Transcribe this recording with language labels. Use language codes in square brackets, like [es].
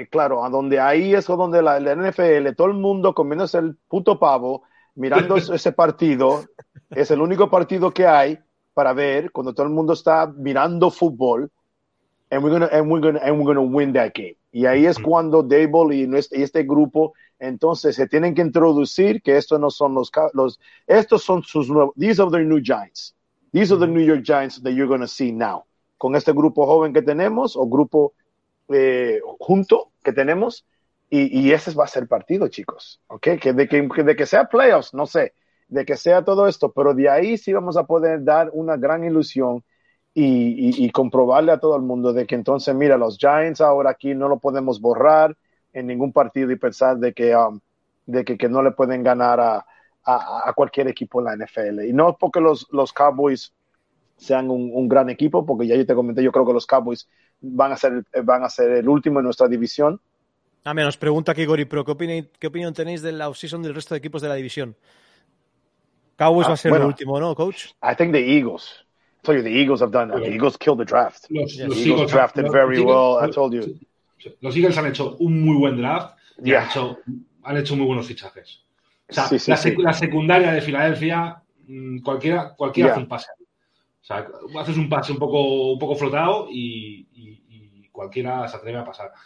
[es] Claro, a donde ahí es donde la NFL, todo el mundo comiéndose el puto pavo, mirando ese partido, es el único partido que hay para ver, cuando todo el mundo está mirando fútbol, [en] and we're gonna win that game. [es] Y ahí es cuando Dable y este grupo, entonces, se tienen que introducir que estos no son los estos son sus nuevos, [en] these are the new Giants. These are the New York Giants that you're gonna see now. [es] Con este grupo joven que tenemos, o grupo junto que tenemos, y ese va a ser partido, chicos. ¿Ok? De que sea playoffs, no sé. De que sea todo esto, pero de ahí sí vamos a poder dar una gran ilusión y comprobarle a todo el mundo de que entonces, mira, los Giants ahora aquí no lo podemos borrar en ningún partido y pensar de que no le pueden ganar a cualquier equipo en la NFL. Y no porque los Cowboys sean un gran equipo, porque ya yo te comenté, yo creo que los Cowboys van a ser el último en nuestra división. Amén, nos pregunta aquí Gori Pro, ¿qué opinión tenéis de la offseason del resto de equipos de la división? Cowboys va a ser el último, ¿no, coach? [en] I think the Eagles. I told you the Eagles have done. The Eagles killed the draft. I told you. [es] Los Eagles han hecho un muy buen draft. Y han hecho muy buenos fichajes. O sea, la secundaria de Filadelfia, cualquiera hace un pase. O sea, haces un pase un poco flotado y cualquiera se atreve a pasar.